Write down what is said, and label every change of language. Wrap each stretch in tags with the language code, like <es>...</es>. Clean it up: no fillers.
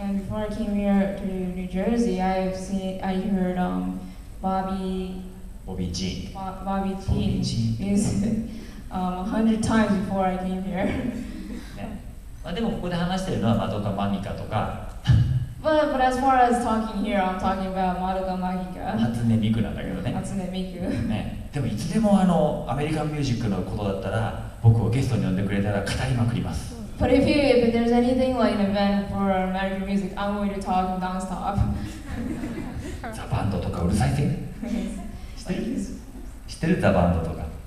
<en>And before I came here to New Jersey, I heard Bobby Jean music 100 times before I came here.</en> <ja>まあでもここで話してるのはマドカマギカとか。</ja> <en>But as far as talking here, I'm talking about マドカマギカ。</en> <ja>初音ミクなんだけどね。初音ミク。ね。でもいつでもあのアメリカンミュージックのことだったら僕をゲストに呼んでくれたら語りまくります。</ja> <en>But if there's anything like an event for American music, I'm going to talk nonstop.</en> <ja>ザバンドとかうるさいぜ。知ってるザバンドとか。</ja>